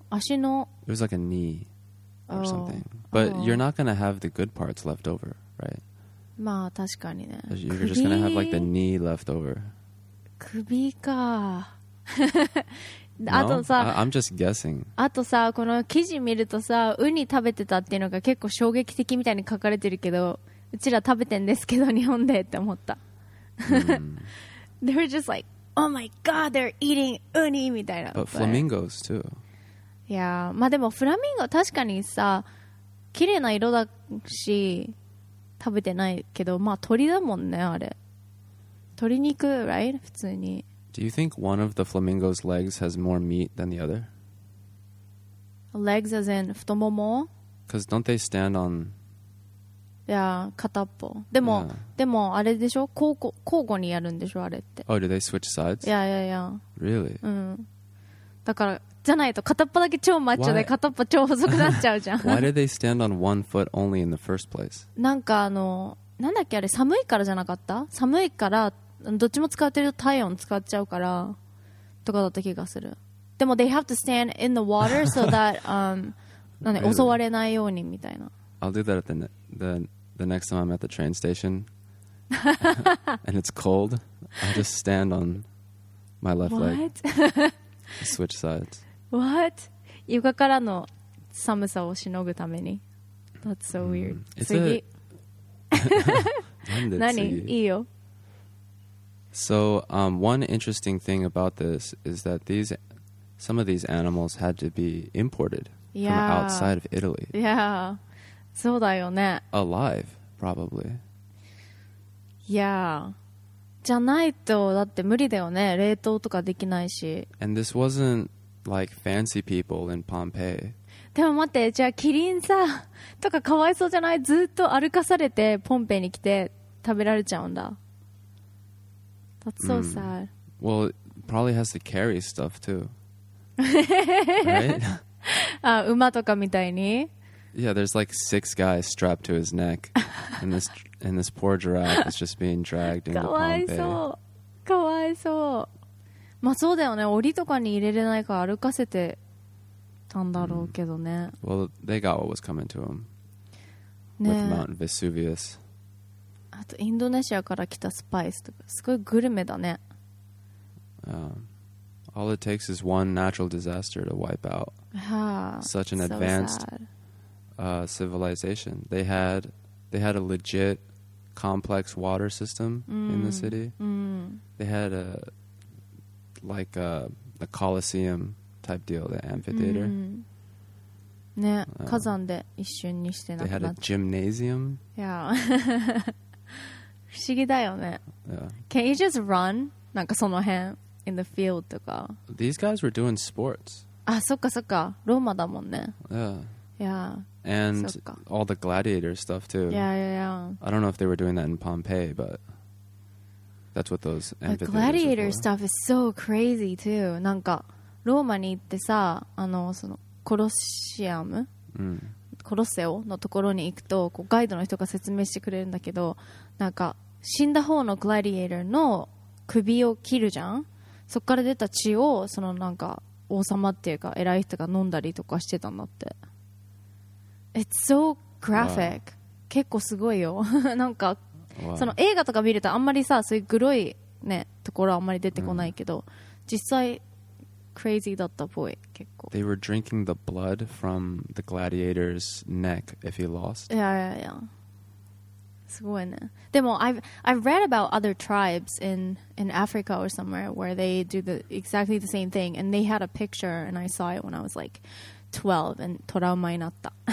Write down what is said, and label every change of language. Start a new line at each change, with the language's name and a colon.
Japanese: 足の。
English: It was like a knee or something. But you're not gonna have the good parts left over, right?
Japanese: まあ確かにね。
English: You're just gonna have like the knee left over.
Japanese: 首か。あとさ、
English: no? I'm just guessing.
Japanese: あとさ、この記事見るとさ、ウニ食べてたっていうのが結構衝撃的みたいに書かれてるけど、うちら食べてんですけど日本でって思った。
English: They're just like, oh my god, they're eating
Japanese: ウニみたいな。
English: But flamingos too.
Japanese: Yeah, まあでもフラミンゴ確かにさ、綺麗な色だし食べてないけど、まあ鳥だもんねあれ。鶏肉、right? 普通に。
English: Do you think one of the flamingo's legs has more meat than the other? Legs as in 太もも? Because don't they stand on...
Japanese: Yeah, 片っぽ。でも、yeah. でもあれでしょ? 交互にやるんでしょ? あれって。
English: Oh, do they switch sides? Yeah, yeah, yeah. Really?
Japanese: うん。だから、じゃないと片っぽだけ超マッチョで、片っぽ超細くなっちゃうじゃん。
English: Why do they stand on one foot only in the first place?
Japanese: なんかなんだっけあれ、寒いからじゃなかった?寒いから、どっちも使ってると体温使っちゃうからとかだった気がする。でも
English: they have to stand in the water so that
Japanese: なんで襲われないようにみたいな。
English: I'll do that at the next time I'm at the train station and it's cold. I'll just stand on my left leg. What? Switch sides. What?
Japanese: 床からの寒さをしのぐために。
English: That's so weird.
Japanese: 次。何？いいよ。
English: So, one interesting thing about this is that some of these animals had to be imported from outside of Italy.
Japanese: Yeah, そうだよね。
English: Alive, probably. Yeah.
Japanese: じゃないとだって無理だよね。冷凍とかできないし。
English: And this wasn't like fancy people in Pompeii.
Japanese: でも待って、じゃあキリンさとかかわいそうじゃない? ずっと歩かされてポンペイに来て食べられちゃうんだ。
English: That's so sad. Well, it probably has to carry stuff too.
Japanese: right? 馬とかみたいに?
English: Yeah, there's like six guys strapped to his neck. And this poor giraffe is just being dragged into Pompeii.
Japanese: かわいそう。まあそうだよね。檻とかに入れれないから歩かせてたんだろうけどね。
English: Well, they got what was coming to them.
Japanese: ね。
English: With Mount Vesuvius.
Japanese: あとインドネシアから来たスパイスとかすごいグルメだね。
English: All it takes is one natural disaster to wipe out such an advanced civilization. They had a legit complex water system in the city. They had a like a Colosseum type deal, the amphitheater.
Japanese: ね、火山で一瞬にしてなくな
English: った。They had a gymnasium.
Japanese: Yeah. 不思議だよね。
English: Yeah. Can you just run?
Japanese: なんかその辺
English: in the field
Japanese: とか。
English: These guys were doing sports.
Japanese: あ、そっかそっか。ローマだもんね。
English: Yeah. Yeah. And all the gladiator stuff too. Yeah, yeah, yeah. I don't know if they were doing that in Pompeii, but that's what those amphitheaters were. Gladiator stuff is so crazy too.
Japanese: なんかローマに行ってさ、そのコロッシアム。コロッセオのところに行くとこうガイドの人が説明してくれるんだけど、なんか死んだ方のグラディエーターの首を切るじゃん。そっから出た血をそのなんか王様っていうか偉い人が飲んだりとかしてたんだって。
English: It's so graphic、wow.
Japanese: 結構すごいよなんか、
English: wow.
Japanese: その映画とか見るとあんまりさ、そういうグロいねところはあんまり出てこないけど、実際crazy だったっぽい。結構
English: they were drinking the blood from the gladiator's neck if he lost. Yeah, yeah, yeah.
Japanese: すごいね。でも
English: I've read about other tribes in Africa or somewhere where they do the exactly the same thing, and they had a picture and I saw it when I was like 12 and
Japanese: トラウマになった